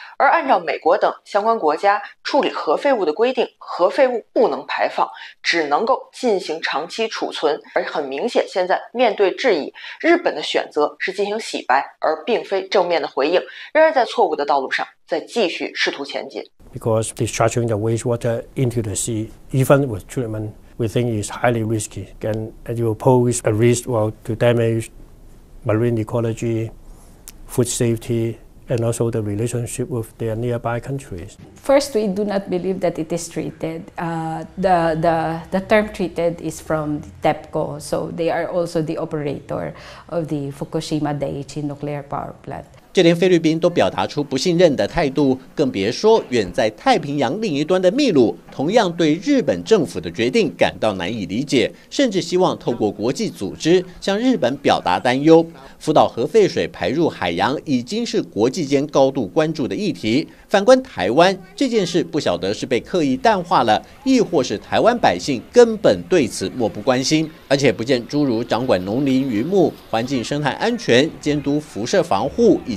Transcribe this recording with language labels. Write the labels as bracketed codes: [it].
[zh] 而按照美国等相关国家处理核废物的规定，核废物不能排放，只能够进行长期储存。而很明显，现在面对质疑，日本的选择是进行洗白，而并非正面的回应，仍然在错误的道路上在继续试图前进。 [en] Because discharging the wastewater into the sea, even with treatment, we think is highly risky, and it will pose a risk well, to damage marine ecology, food safety, and also the relationship with their nearby countries. First, we do not believe that it is treated. The term treated is from TEPCO, so they are also the operator of the Fukushima Daiichi nuclear power plant. [zh] 就连菲律宾都表达出不信任的态度，更别说远在太平洋另一端的秘鲁，同样对日本政府的决定感到难以理解，甚至希望透过国际组织向日本表达担忧。福岛核废水排入海洋已经是国际间高度关注的议题，反观台湾，这件事不晓得是被刻意淡化了，亦或是台湾百姓根本对此漠不关心，而且不见诸如掌管农林渔牧、环境生态安全、监督辐射防护以